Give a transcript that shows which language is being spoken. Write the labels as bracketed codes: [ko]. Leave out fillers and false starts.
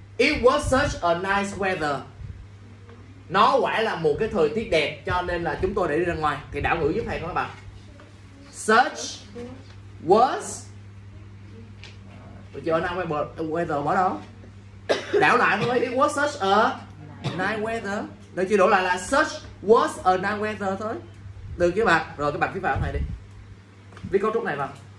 [en] It was such a nice weather. [vi] Nó quả là một cái thời tiết đẹp cho nên là chúng tôi để đi ra ngoài. Thì đảo ngữ giúp thầy các bạn. [en] Such was. [vi] Bây giờ nào weather bỏ đâu? Đảo lại thôi. [en] It was such a nice weather. [vi] Được chưa? Đổi lại là [en] such was a nice weather [vi] thôi. Được chưa bạn? Rồi các bạn viết vào thầy đi. Viết cấu trúc này vào.